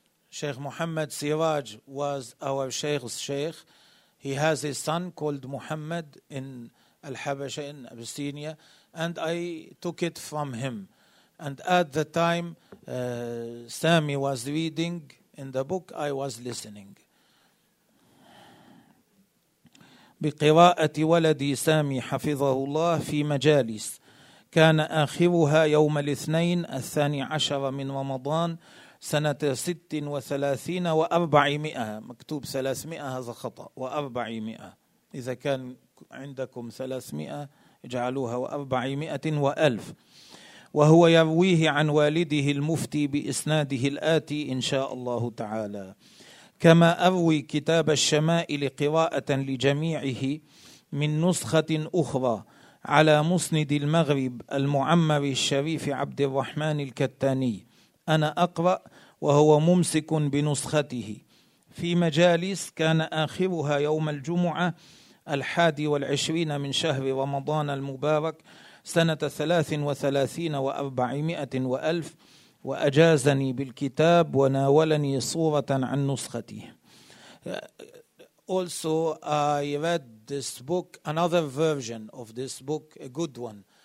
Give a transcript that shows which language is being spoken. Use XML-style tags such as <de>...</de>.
<en>Sheikh Muhammad Siraj was our Sheikh's Sheikh. He has a son called Muhammad in Al-Habasha in Abyssinia, and I took it from him. And at the time Sami was reading in the book, I was listening.</en> <ar>بقراءة ولدي سامي حفظه الله في مجالس كان آخرها يوم الاثنين 12 من رمضان سنة 36 و400. مكتوب 300، هذا خطأ، و400. إذا كان عندكم 300 اجعلوها 400 و1000. وهو يرويه عن والده المفتي بإسناده الآتي إن شاء الله تعالى. كما أروي كتاب الشمائل قراءة لجميعه من نسخة أخرى على مسند المغرب المعمر الشريف عبد الرحمن الكتاني. أنا أقرأ وهو ممسك بنسخته في مجالس كان آخرها يوم الجمعة 21 من شهر رمضان المبارك سنة 33 و400 و1000. وأجازني بالكتاب وناولني صورة عن نسخته.</ar> <en>Also, I read this book, another version of this book, a good one.</en>